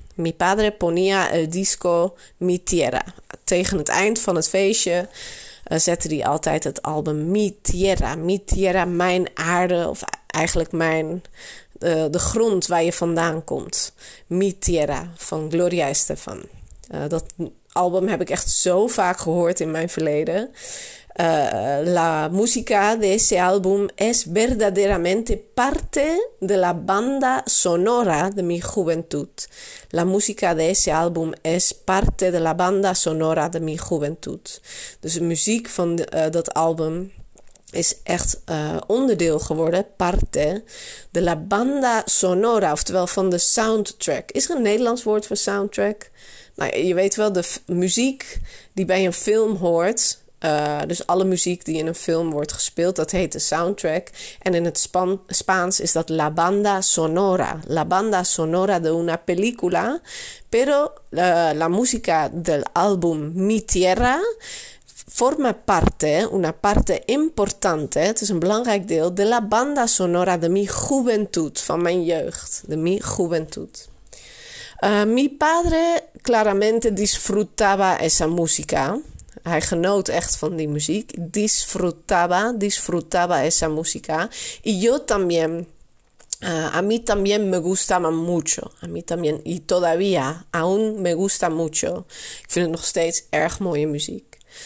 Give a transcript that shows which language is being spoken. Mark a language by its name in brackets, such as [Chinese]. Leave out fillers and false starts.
[Spanish] Mi padre ponía el disco Mi Tierra. [Dutch] Tegen het eind van het feestje zette hij altijd het album Mi Tierra. Mi Tierra, mijn aarde, of eigenlijk mijn... De grond waar je vandaan komt. Mi Tierra van Gloria Estefan. Dat album heb ik echt zo vaak gehoord in mijn verleden. [Spanish] La música de ese álbum es verdaderamente parte de la banda sonora de mi juventud. La música de ese álbum es parte de la banda sonora de mi juventud. [Dutch] Dus de muziek van dat album is echt onderdeel geworden, [Spanish] parte de la banda sonora, [Dutch] oftewel van de soundtrack. Is er een Nederlands woord voor soundtrack? Nou, je weet wel, de muziek die bij een film hoort. Dus alle muziek die in een film wordt gespeeld, dat heet de soundtrack. En in het Spaans is dat la banda sonora. [Spanish] La banda sonora de una película. Pero la música del álbum Mi Tierra forma parte, una parte importante. [Dutch] Het is een belangrijk deel. [Spanish] De la banda sonora de mi juventud, [Dutch] van mijn jeugd. [Spanish] De mi juventud. Mi padre claramente disfrutaba esa música. [Dutch] Hij genoot echt van die muziek. [Spanish] Disfrutaba esa música. Y yo también. A mí también me gusta mucho. A mí también. Y todavía. Aún me gusta mucho. [Dutch] Ik vind het nog steeds erg mooie muziek.